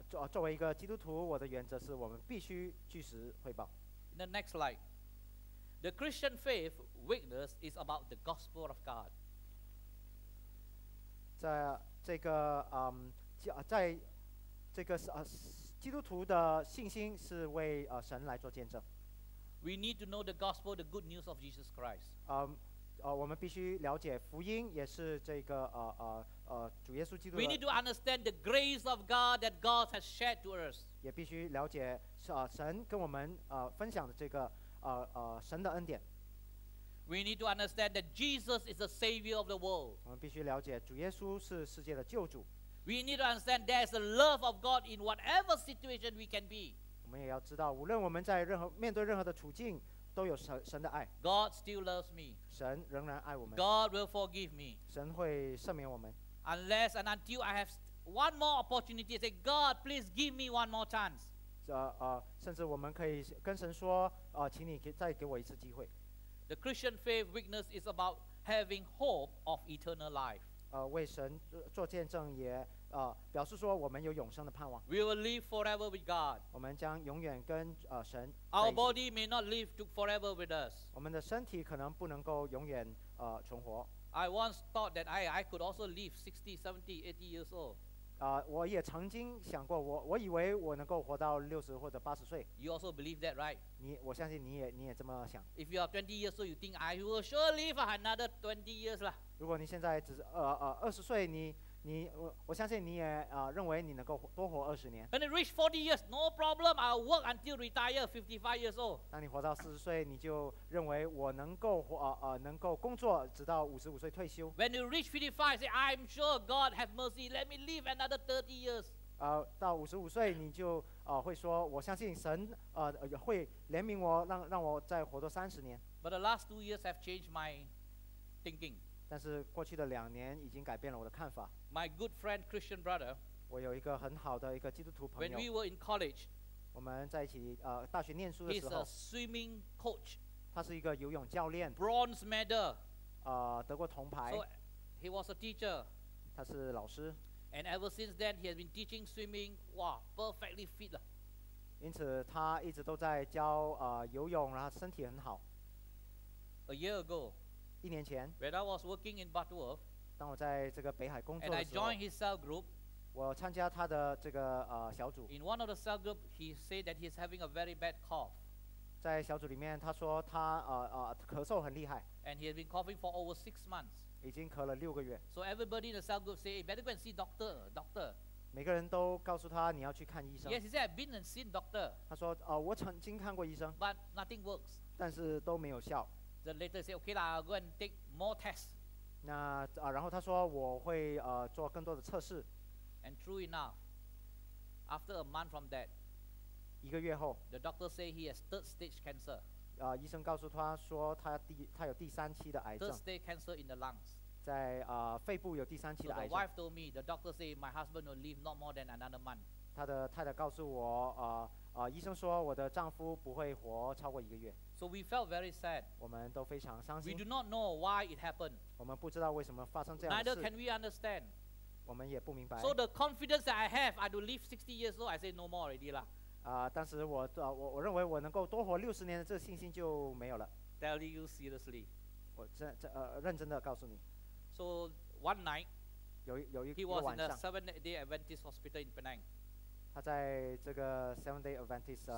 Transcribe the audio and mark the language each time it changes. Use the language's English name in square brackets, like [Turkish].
[Chinese] 作为一个基督徒，我的原则是我们必须据实汇报。 [English] In the next slide, the Christian faith witness is about the gospel of God. [Chinese] 在这个在这个基督徒的信心是为神来做见证。 [English] We need to know the gospel, the good news of Jesus Christ. [Chinese] 我们必须了解福音，也是这个主耶稣基督的。 [English] We need to understand the grace of God that God has shed to us. [Chinese] 也必须了解神跟我们分享的这个神的恩典。 [English] We need to understand that Jesus is the Savior of the world. [Chinese] 我们必须了解主耶稣是世界的救主。 [English] We need to understand there's a love of God in whatever situation we can be. [Chinese] 我们也要知道，无论我们在任何面对任何的处境，都有神的爱。 [English] God still loves me. [Chinese] 神仍然爱我们。 [English] God will forgive me. [Chinese] 神会赦免我们。 [English] Unless and until I have one more opportunity, say, God, please give me one more chance. [Chinese] 甚至我们可以跟神说，请你再给我一次机会。 [English] The Christian faith witness is about having hope of eternal life. [Chinese] 为神做见证也表示说我们有永生的盼望。 [English] We will live forever with God. [Chinese] 我们将永远跟神。 [English] Our body may not live forever with us. [Chinese] 我们的身体可能不能够永远存活。 [English] I once thought that I could also live 60, 70, 80 years old. [Chinese] 我也曾经想过，我以为我能够活到60或者80岁。 [English] You also believe that, right? [Chinese] 我相信你也这么想。 [English] If you are 20 years old, you think I will sure live another 20 years lah. [Chinese] 如果你现在只是20岁，你我相信你也认为你能够多活20年。 [English] When I reach 40 years, no problem. I'll work until retire 55 years old. [Chinese] 当你活到40岁，你就认为我能够能够工作直到55岁退休。 [English] When you reach 55, say I'm sure God have mercy. Let me live another 30 years. [Chinese] 到55岁，你就会说，我相信神会怜悯我，让我再活多30年。 [English] But the last 2 years have changed my thinking. [Chinese] 但是过去的两年已经改变了我的看法。 [English] My good friend Christian brother, [Chinese] 我有一个很好的一个基督徒朋友。 [English] When we were in college, [Chinese] 我们在一起大学念书的时候。 [English] He's a swimming coach. [Chinese] 他是一个游泳教练。 [English] Bronze medal. [Chinese] 得过铜牌。 [English] So he was a teacher. [Chinese] 他是老师。 [English] And ever since then, he has been teaching swimming. Wow, perfectly fit. [Chinese] 因此他一直都在教游泳，然后身体很好。 [English] A year ago, [Chinese] 一年前 [English] when I was working in Butterworth, [Chinese] 当我在这个北海工作的时候 [English] and I joined his cell group. [Chinese] 我参加他的这个小组。 [English] In one of the cell group, he said that he's having a very bad cough. [Chinese] 在小组里面，他说他咳嗽很厉害。 [English] And he has been coughing for over 6 months. [Chinese] 已经咳了六个月。 [English] So everybody in the cell group say, better go and see doctor, doctor. [Chinese] 每个人都告诉他你要去看医生。 [English] Yes, he said, I've been and seen doctor. [Chinese] 他说我曾经看过医生。 [English] But nothing works. [Chinese] 但是都没有效。 [English] Then later he said, okay, I'll go and take more tests. [Chinese] 那然后他说我会做更多的测试。 [English] And true enough, after a month from that, [Chinese] 一个月后 [English] the doctor say he has third stage cancer. [Chinese] 医生告诉他说他有第三期的癌症。 [English] Third stage cancer in the lungs. [Chinese] 在肺部有第三期的癌症。 [English] So the wife told me, the doctor say my husband will live not more than another month. [Chinese] 他的太太告诉我，医生说我的丈夫不会活超过一个月。 [English] So we felt very sad. [Chinese] 我们都非常伤心。 [English] We do not know why it happened. [Chinese] 我们不知道为什么发生这样的事。 [English] Neither can we understand. [Chinese] 我们也不明白。 [English] So the confidence that I have, I do live 60 years old, I say no more already lah. [Chinese] 但是我认为我能够多活六十年的这信心就没有了。 [English] Tell you seriously. [Chinese] 我认真的告诉你。 [English] So one night, [Chinese] 有一个晚上。 [English] He was in a Seventh-day Adventist hospital in Penang. [Chinese] 他在这个 Seventh-day Adventist 医院。